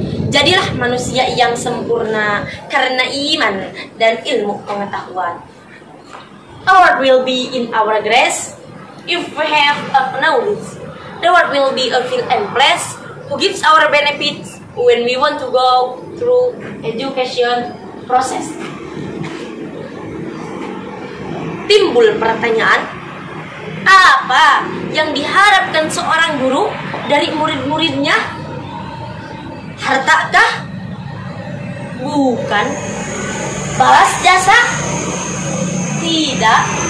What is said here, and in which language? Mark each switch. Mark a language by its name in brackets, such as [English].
[Indonesian] Jadilah manusia yang sempurna karena iman dan ilmu pengetahuan. [English] The world will be in our grace if we have a knowledge. The world will be a field and place who gives our benefits when we want to go through education process. [Indonesian] Timbul pertanyaan, apa yang diharapkan seorang guru dari murid-muridnya? Hartakah? Bukan. Balas jasa? Tidak.